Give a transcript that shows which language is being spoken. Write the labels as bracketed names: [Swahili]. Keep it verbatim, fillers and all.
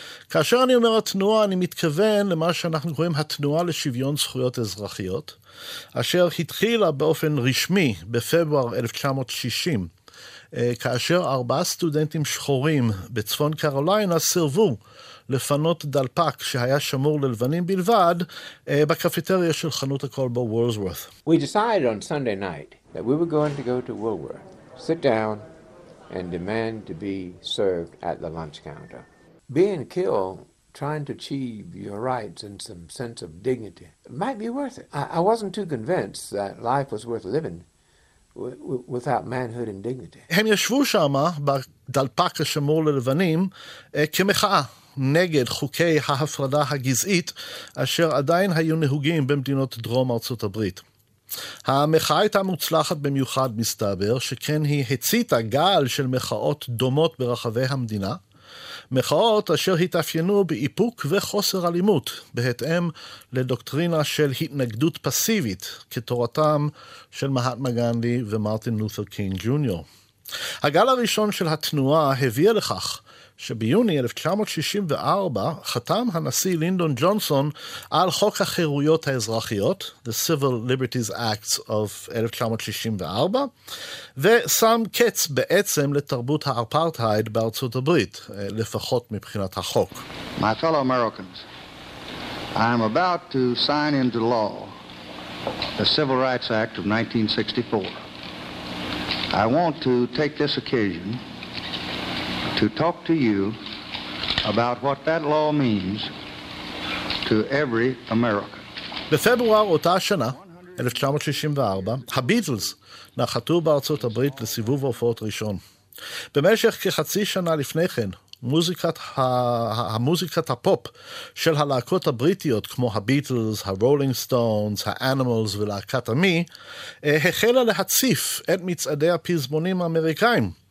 [Hebrew] כאשר אני אומר התנועה, אני מתכוון למה שאנחנו קוראים התנועה לשוויון זכויות אזרחיות, אשר התחילה באופן רשמי בפברואר אלף תשע מאות שישים, כאשר ארבעה סטודנטים שחורים בצפון קרוליינה סירבו לפנות דלפק שהיה שמור ללבנים בלבד בקפיטריה של חנות הקול בוולסוורת'. [English] We decided on Sunday night that we were going to go to Woolworth, sit down and demand to be served at the lunch counter. Being killed, trying to achieve your rights and some sense of dignity, it might be worth it. I, I wasn't too convinced that life was worth living w- w- without manhood and dignity. [Hebrew] הם ישבו שמה, בדלפק השמור ללבנים, כמחאה נגד חוקי ההפרדה הגזעית, אשר עדיין היו נהוגים במדינות דרום ארצות הברית. המחאה הייתה מוצלחת במיוחד מסתבר, שכן היא הציתה גל של מחאות דומות ברחבי המדינה, מחאות אשר התאפיינו באיפוק וחוסר אלימות, בהתאם לדוקטרינה של התנגדות פסיבית, כתורתם של מהטמה גנדי ומרטין לותר קינג ג'וניור. הגל הראשון של התנועה הביא לכך שביוני אלף תשע מאות שישים וארבע חתם הנשיא לינדון ג'ונסון על חוק החירויות האזרחיות, [English] The Civil Liberties Act of [Hebrew] אלף תשע מאות שישים וארבע, ושם קץ בעצם לתרבות האפרטהייד בארצות הברית, לפחות מבחינת החוק. [English] My fellow Americans, I am about to sign into law the Civil Rights Act of nineteen sixty-four. I want to take this occasion to talk to you about what that law means to every American. [Hebrew] בפברואר אותה השנה, אלף תשע מאות שישים וארבע, הביטלס נחתו בארצות הברית לסיבוב ההופעות ראשון. במשך כחצי שנה לפני כן, מוזיקת המוזיקת הפופ של הלהקות הבריטיות כמו הביטלס, הרולינג סטונס, האנימלס ולהקת המי, החלה להציף את מצעדי הפזמונים האמריקאים.